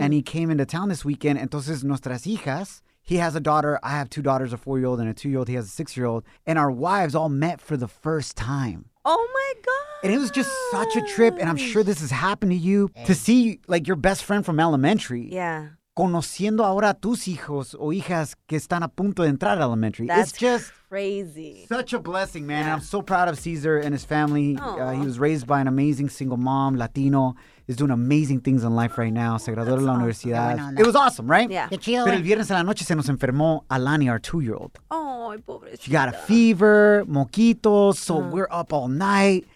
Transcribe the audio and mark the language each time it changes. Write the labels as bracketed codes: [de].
[en] and he came into town this weekend. [es] Entonces, nuestras hijas, [en] he has a daughter. I have two daughters, a 4-year-old and a 2-year-old. He has a 6-year-old. And our wives all met for the first time. Oh, my God. And it was just such a trip. And I'm sure this has happened to you to see, like, your best friend from elementary. Yeah. [es] Conociendo ahora a tus hijos o hijas que están a punto de entrar a elementary. [en] That's it's just crazy. Such a blessing, man. Yeah. And I'm so proud of Caesar and his family. He was raised by an amazing single mom, Latino. He's doing amazing things in life right now. [es] Se graduó de la universidad. [en] Yeah, it was awesome, right? Yeah. [es] Pero el viernes en la noche se nos enfermó Alani, [en] our 2-year-old. [es] Oh, pobrecita. [en] She got a fever, moquitos, so we're up all night.